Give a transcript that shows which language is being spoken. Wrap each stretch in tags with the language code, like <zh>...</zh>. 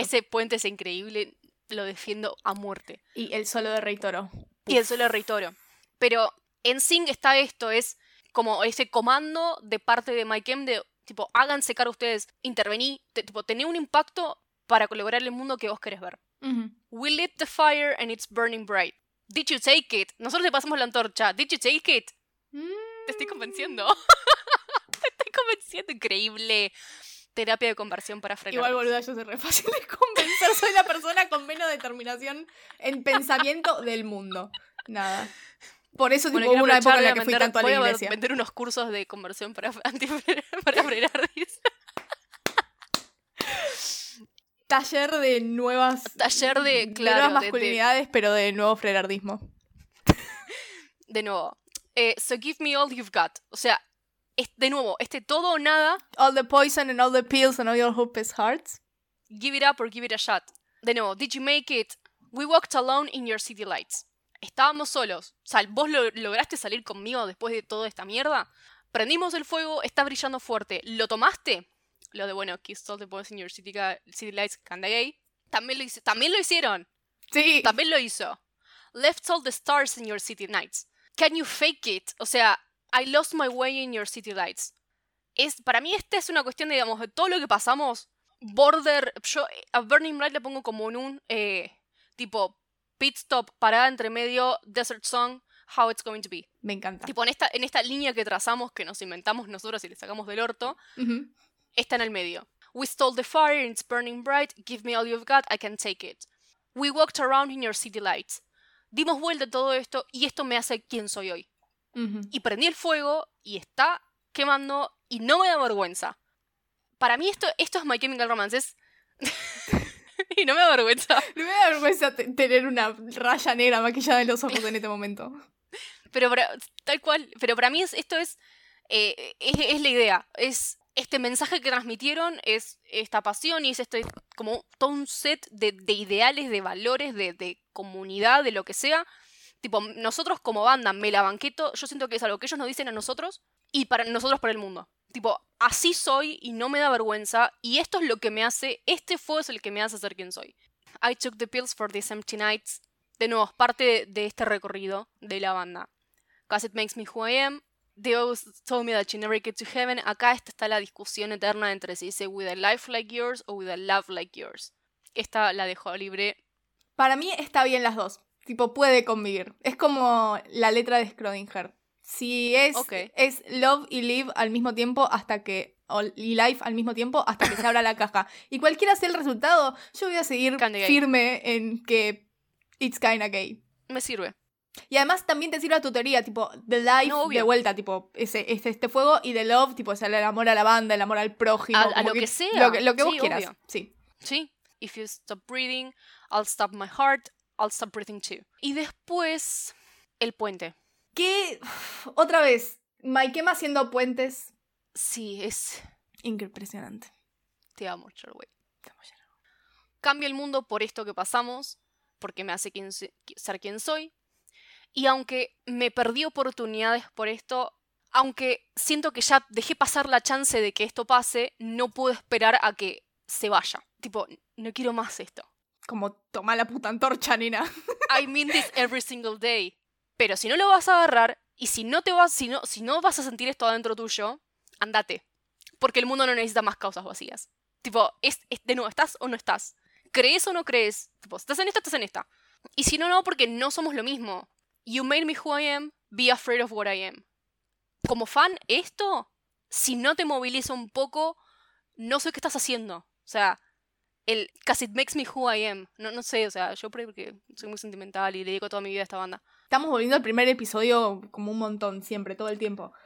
<es>Ese puente es increíble, lo defiendo a muerte. Y el solo de Rey Toro. Y el solo de Rey Toro. Pero en Sync está esto, es como ese comando de parte de Mike M de, tipo, háganse cargo ustedes, intervení, tipo, tené un impacto para colaborar el mundo que vos querés ver. Uh-huh.</es> <en>We lit the fire and it's burning bright. Did you take it?</en> <es>Nosotros te pasamos la antorcha.</es> <en>Did you take it?</en> <es>Te estoy convenciendo. Te estoy convenciendo. Increíble. Terapia de conversión para frenar. Igual, boluda, yo soy re fácil de convencer. Soy la persona con menos determinación en pensamiento del mundo. Nada. Por eso, tipo, hubo una época en la que fui tanto a la iglesia. Voy a vender unos cursos de conversión para frenar. Taller de nuevas... Taller de, claro, de nuevas masculinidades, de... pero de nuevo frenardismo. De nuevo.</es> <en>So give me all you've got.</en> <es>O sea, de nuevo, este todo o nada...</es> <en>All the poison and all the pills and all your hopeless hearts. Give it up or give it a shot.</en> <es>De nuevo,</es> <en>did you make it? We walked alone in your city lights.</en> <es>Estábamos solos. O sea, ¿vos lograste salir conmigo después de toda esta mierda? Prendimos el fuego, está brillando fuerte. ¿Lo tomaste? Lo de, bueno,</es> <en>kiss all the boys in your city lights, can they?</en> <es>También lo hicieron. Sí. También lo hizo.</es> <en>Left all the stars in your city nights. Can you fake it?</en> <es>O sea,</es> <en>I lost my way in your city lights.</en> <es>Para mí esta es una cuestión, digamos, de todo lo que pasamos. Border, yo a Burning Bright le pongo como en un tipo pit stop, parada entre medio, desert song, how it's going to be. Me encanta. Tipo, en esta línea que trazamos, que nos inventamos nosotros y le sacamos del orto, está en el medio.</es> <en>We stole the fire and it's burning bright. Give me all you've got, I can take it. We walked around in your city lights.</en> <es>Dimos vuelta a todo esto y esto me hace quien soy hoy. Uh-huh. Y prendí el fuego y está quemando y no me da vergüenza. Para mí esto es My Chemical Romance. Es... y no me da vergüenza. No me da vergüenza tener una raya negra maquillada en los ojos en este momento. Pero para, tal cual. Pero para mí esto es la idea. Es... este mensaje que transmitieron es esta pasión y es este como todo un set de ideales, de valores, de comunidad, de lo que sea. Tipo, nosotros como banda, me la banqueto, yo siento que es algo que ellos nos dicen a nosotros y para nosotros para el mundo. Tipo, así soy y no me da vergüenza y esto es lo que me hace, este fuego es el que me hace ser quien soy.</es> <en>I took the pills for these empty nights.</en> <es>De nuevo, es parte de este recorrido de la banda.</es> <en>Cause it makes me who I am. They always told me that you never get to heaven.</en> <es>Acá está la discusión eterna entre si dice</es> <en>with a life like yours</en> <es>o</es> <en>with a love like yours.</en> <es>Esta la dejó libre. Para mí está bien las dos. Tipo, puede convivir. Es como la letra de Schrödinger. Si es, okay, es love y live al mismo tiempo hasta que... y life al mismo tiempo hasta que se abra la caja. Y cualquiera sea el resultado, yo voy a seguir firme en que</es> <en>it's kinda gay.</en> <es>Me sirve. Y además también te sirve a tu teoría, tipo, the life, no, de vuelta, tipo, este fuego, y the love, tipo, o sea, el amor a la banda, el amor al prójimo, a lo que sea, lo que sí, vos quieras, obvio. Sí. Sí,</es> <en>if you stop breathing, I'll stop my heart, I'll stop breathing too.</en> <es>Y después, el puente. ¿Qué? Otra vez, Mike Emma haciendo puentes. Sí, es... impresionante. Te amo, Charway. Cambio el mundo por esto que pasamos, porque me hace ser quien soy. Y aunque me perdí oportunidades por esto, aunque siento que ya dejé pasar la chance de que esto pase, no puedo esperar a que se vaya. Tipo, no quiero más esto. Como, toma la puta antorcha, nena.</es> <en>I mean this every single day.</en> <es>Pero si no lo vas a agarrar, y si no vas a sentir esto adentro tuyo, andate. Porque el mundo no necesita más causas vacías. Tipo, es de nuevo, ¿estás o no estás? ¿Crees o no crees? Tipo, ¿estás en esta o estás en esta? Y si no, no, porque no somos lo mismo.</es> <en>You made me who I am, be afraid of what I am.</en> <es>Como fan, esto, si no te moviliza un poco, no sé qué estás haciendo. O sea, el</es> <en>cause it makes me who I am.</en> <es>No, no sé, o sea, yo porque soy muy sentimental y le dedico toda mi vida a esta banda. Estamos volviendo al primer episodio como un montón, siempre, todo el tiempo.</es>